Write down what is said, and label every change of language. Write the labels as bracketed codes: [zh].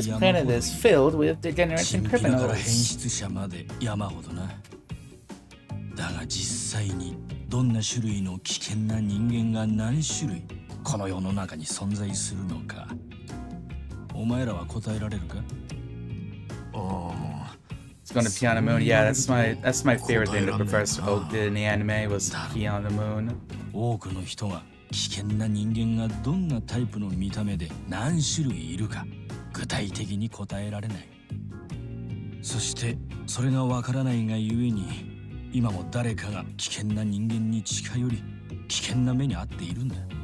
[ja] 山ほど。 [en] This planet is filled with degenerate criminals. [ja] チンピラから変質者まで山ほどな。だが実際にどんな種類の危険な人間が何種類この世の中に存在するのか、お前らは答えられるか？ [en] Going to Piano Moon, yeah, that's my favorite thing that Professor Oak did in the anime was Piano Moon. [ja] 多くの人が危険な人間がどんなタイプの見た目で何種類いるか具体的に答えられない。そしてそれがわからないがゆえに今も誰かが危険な人間に近寄り危険な目に遭っているんだ。